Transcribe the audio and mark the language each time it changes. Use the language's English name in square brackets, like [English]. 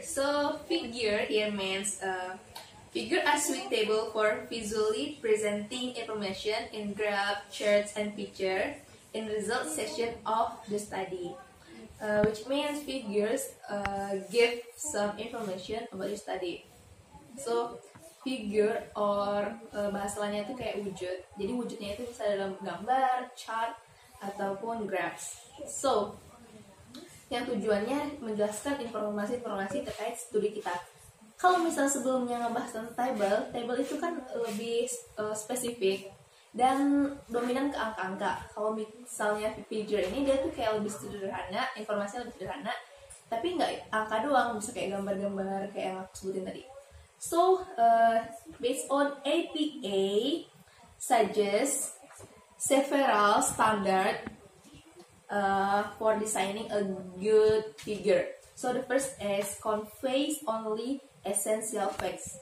[English] So figure here means figure as sweet table for visually presenting information in graph, charts, and picture in result section of the study. Which means figures give some information about your study. [Indonesian] So figure or bahasa lainnya itu kayak wujud. Jadi wujudnya itu bisa dalam gambar, chart, ataupun graphs. So yang tujuannya menjelaskan informasi-informasi terkait studi kita. Kalau misalnya sebelumnya ngebahas tentang table, table itu kan lebih spesifik dan dominan ke angka-angka. Kalau misalnya figure ini dia tuh kayak lebih sederhana, informasinya lebih sederhana, tapi nggak angka doang, bisa kayak gambar-gambar kayak yang aku sebutin tadi. [English] So based on APA suggests several standard for designing a good figure. So the first is conveys only essential facts.